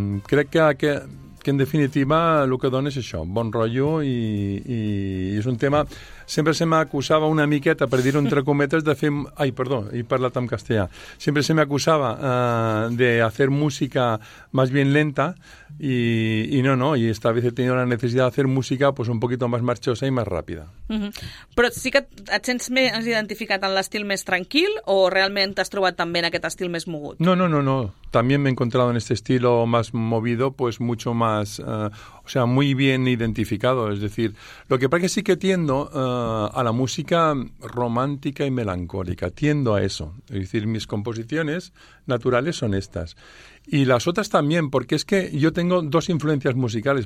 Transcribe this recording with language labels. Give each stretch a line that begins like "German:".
Catalan: Crec que en definitiva el que dona és això, bon rotllo i és un tema, sempre se m'acusava una miqueta, per dir-ho entre cometes, de fer... Ai, perdó, he parlat en castellà. Sempre se m'acusava de
Spanish: hacer música más bien lenta y no, no, y esta vez he tenido la necesidad de hacer música pues un poquito más marchosa y más rápida. Mm-hmm.
Catalan: Però sí que et sents més identificat en l'estil més tranquil o realment t'has trobat també en aquest estil més mogut?
Spanish: No, no, no, no. También me he encontrado en este estilo más movido, pues mucho más, o sea, muy bien identificado. Es decir, lo que pasa que sí que tiendo a la música romántica y melancólica, tiendo a eso. Es decir, mis composiciones naturales son estas. Y las otras también, porque es que yo tengo dos influencias musicales.